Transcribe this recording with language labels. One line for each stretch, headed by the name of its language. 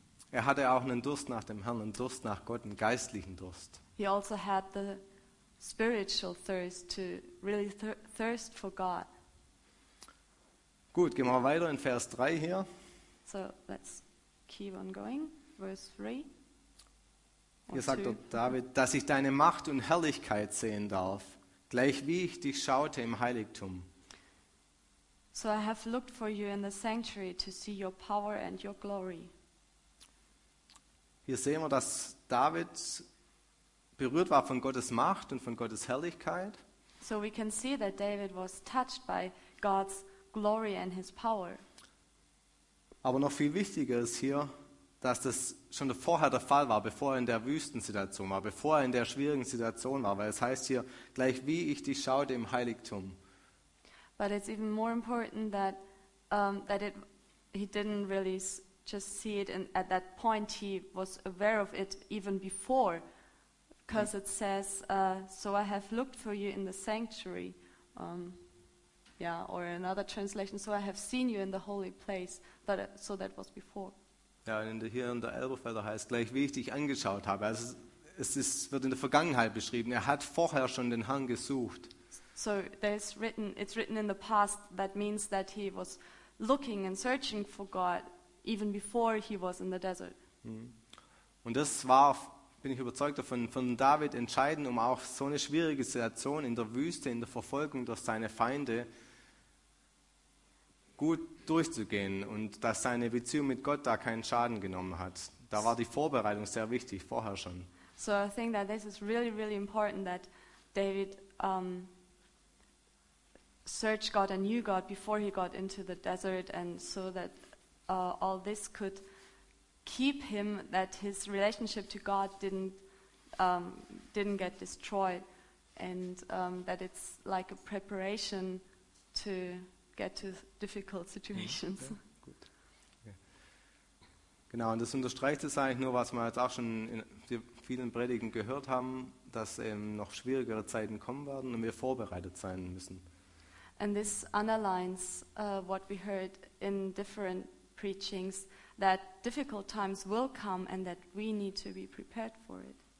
German: Er hatte auch einen Durst nach dem Herrn, einen Durst nach Gott, einen geistlichen Durst.
English: He also had the spiritual thirst to really thirst for God.
German: Gut, gehen wir weiter in Vers 3 hier.
English: So, let's keep on going. Verse 3.
German: Hier sagt der David, dass ich deine Macht und Herrlichkeit sehen darf, gleich wie ich dich schaute im Heiligtum.
English: So I have looked for you in the sanctuary to see your power and your glory.
German: Hier sehen wir, dass David berührt war von Gottes Macht und von Gottes Herrlichkeit.
English: So we can see that David was touched by God's glory and his power.
German: Aber noch viel wichtiger ist hier, dass das schon vorher der Fall war, bevor er in der Wüstensituation war, bevor er in der schwierigen Situation war, weil es heißt hier, gleich wie ich dich schaute im Heiligtum.
English: But it's even more important that he didn't really just see it and at that point he was aware of it even before, because it says so I have looked for you in the sanctuary, or another translation, so I have seen you in the holy place, but so that was before.
German: Ja, und hier in der Elberfelder heißt gleich wie ich dich angeschaut habe, also es wird in der Vergangenheit beschrieben, er hat vorher schon den Herrn gesucht.
English: So there's written, it's written in the past, that means that he was looking and searching for God even before he was in the desert.
German: Und das war, bin ich überzeugt davon, von David entscheidend, um auch so eine schwierige Situation in der Wüste, in der Verfolgung durch seine Feinde gut durchzugehen und dass seine Beziehung mit Gott da keinen Schaden genommen hat. Da war die Vorbereitung sehr wichtig, vorher schon.
English: So I think that this is really, really important that David searched God and knew God before he got into the desert, and so that all this could keep him, that his relationship to God didn't get destroyed, and that it's like a preparation to get to difficult situations.
German: Ja, gut. Genau, und das unterstreicht es eigentlich nur, was wir jetzt auch schon in vielen Predigen gehört haben, dass eben noch schwierigere Zeiten kommen werden und wir vorbereitet sein müssen.
English: And this underlines what we heard in different preachings, that difficult times will come and that we need to be prepared for it.